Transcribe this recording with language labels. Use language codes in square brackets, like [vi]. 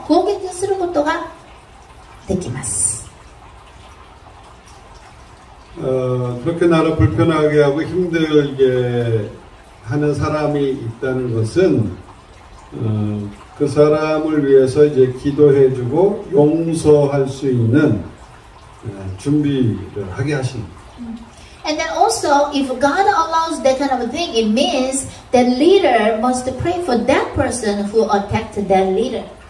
[ja] もっと下の権利を持っている人々が皆さんを攻撃することができます。 [ko] 그렇게 나를 불편하게 하고 힘들게 하는 사람이 있다는 것은 그 사람을 위해서 이제 기도해주고 용서할 수 있는 준비를 하게 하신. [en] And then also, if God allows that kind of thing, it means that leader must pray for that person who attacked that leader.